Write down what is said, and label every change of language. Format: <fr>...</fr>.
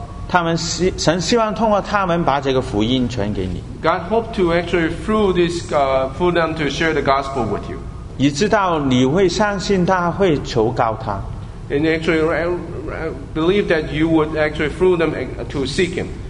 <zh>他们神希望通过他们把这个福音传给你。</zh> <en>God hope to actually through this for them to share the gospel with you.</en> <zh>以知道你会相信他，会求告他。</zh> <en>And actually, I believe that you would actually through them to seek him.</en>